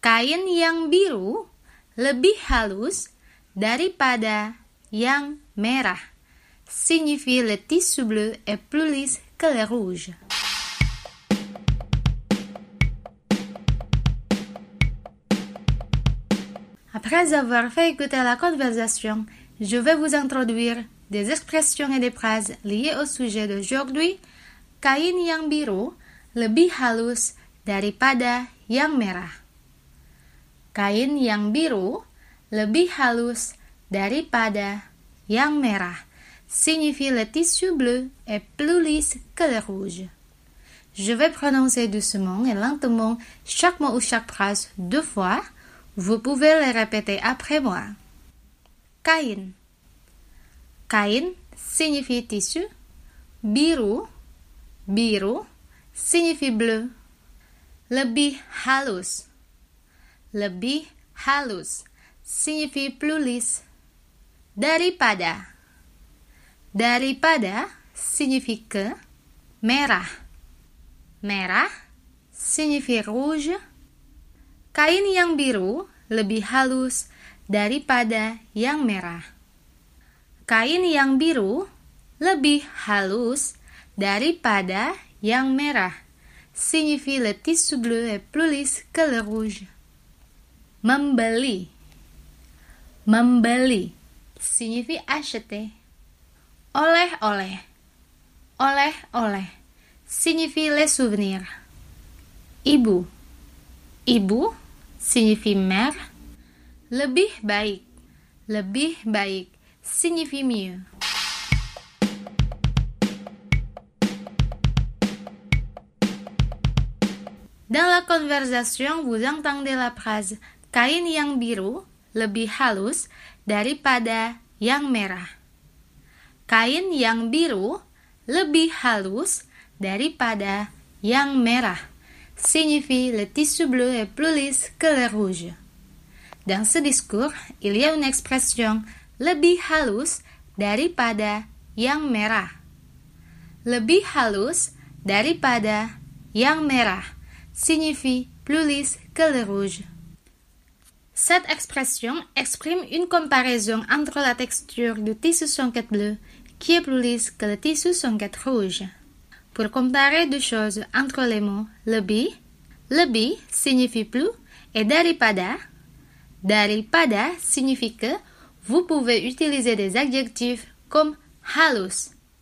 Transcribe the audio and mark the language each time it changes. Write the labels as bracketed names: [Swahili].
[Indonesian] Kain yang biru lebih halus daripada yang merah [French] signifie « Le tissu bleu est plus lisse que le rouge ». Après avoir fait écouter la conversation, je vais vous introduire des expressions et des phrases liées au sujet d'aujourd'hui. [Indonesian] Kain yang biru lebih halus daripada yang merah. Kain yang biru lebih halus daripada yang merah. [French] Signifie le tissu bleu est plus lisse que le rouge. Je vais prononcer doucement et lentement chaque mot ou chaque phrase deux fois. Vous pouvez les répéter après moi. Kain. Kain signifie tissu. Biru, biru, signifie bleu. [Indonesian] Lebih halus, lebih halus, [French] signifie plus lisse. Daripada, daripada, signifie que. Merah, merah, signifie rouge. [Indonesian] Kain yang biru lebih halus daripada yang merah. Kain yang biru lebih halus daripada yang merah. [French] Signifie le tissu bleu est plus lisse que le rouge. [Indonesian] Membeli. Membeli. [French] Signifie acheter. Oleh-oleh. Oleh-oleh. Signifie le souvenir. Ibu. Ibu. Signifie mère. Lebih baik. Lebih baik. Signifie mieux. Dans la conversation, vous entendez la phrase [Indonesian] kain yang biru lebih halus daripada yang merah. Kain yang biru lebih halus daripada yang merah. [French] Signifie le tissu bleu est plus lisse que le rouge. Dans ce discours, il y a une expression [Indonesian] lebih halus daripada yang merah. Lebih halus daripada yang merah. [French] Signifie plus lisse que le rouge. Cette expression exprime une comparaison entre la texture du tissu songuette bleu qui est plus lisse que le tissu songuette rouge. Pour comparer deux choses entre les mots lebih signifie plus et daripada signifie que, vous pouvez utiliser des adjectifs comme halus.